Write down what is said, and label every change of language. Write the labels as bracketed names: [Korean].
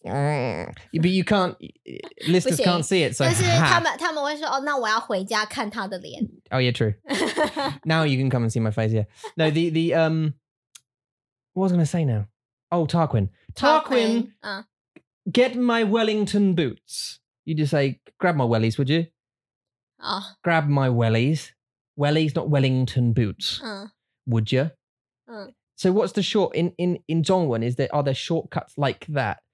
[English] But you can't listeners can't see it, so [Chinese] 但是他们会说哦，那我要回家看他的脸。 [English] Oh yeah, true. Now you can come and see my face, yeah. No, the what was I gonna say now? Oh, Tarquin. Tarquin, get my Wellington boots. You just say, grab my wellies, would you? Grab my wellies. Wellies, not Wellington boots. Would you? So what's the short in 中文is there, are there shortcuts like that?